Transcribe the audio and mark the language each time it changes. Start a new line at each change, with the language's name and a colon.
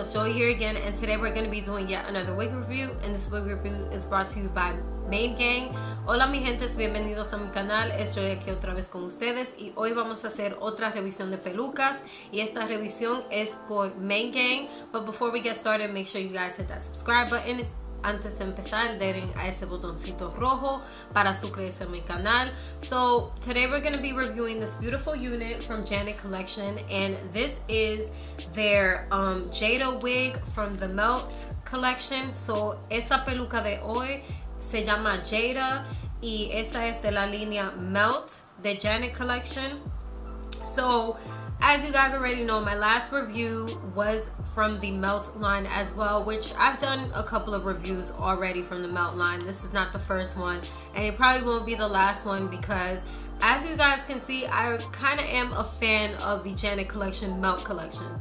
English: It's Joy here again, and today we're going to be doing yet another wig review. And this wig review is brought to you by Maid Gang.
Spanish: Hola mi gente, bienvenidos a mi canal. Estoy aquí otra vez con ustedes y hoy vamos a hacer otra revisión de pelucas. Y esta revisión es por Maid Gang.
English: But before we get started, make sure you guys hit that subscribe button.
Spanish: Antes de empezar, denle a ese botoncito rojo para suscribirse a mi canal.
English: So today we're going to be reviewing this beautiful unit from Janet Collection, and this is their Jada wig from the Melt Collection.
Spanish: So esta peluca de hoy se llama Jada, y esta es de la línea Melt de Janet Collection.
English: So as you guys already know, my last review was from the Melt line as well, which I've done a couple of reviews already from the Melt line. This is not the first one, and it probably won't be the last one, because as you guys can see, I kind of am a fan of the Janet Collection Melt Collection.